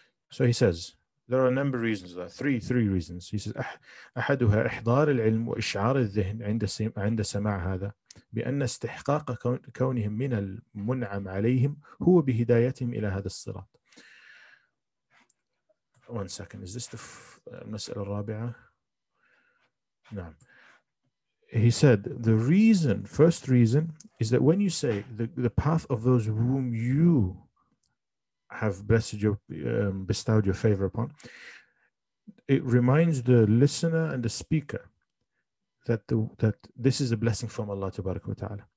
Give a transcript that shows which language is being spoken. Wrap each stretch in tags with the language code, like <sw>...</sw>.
<en>So he says, there are a number of reasons, three reasons. He says,</en> <ar>أحدها إحضار العلم وإشعار الذهن عند سماع هذا بأن استحقاق كونهم من المنعم عليهم هو بهدايتهم إلى هذا الصراط.</ar> <en>One second, is this the المسألة الرابعة?</en> <ar>نعم.</ar> <en>He said, the reason, first reason, is that when you say the path of those whom you have blessed your bestowed your favor upon, it reminds the listener and the speaker that that this is a blessing from Allah tabaraka wa ta'ala.</en>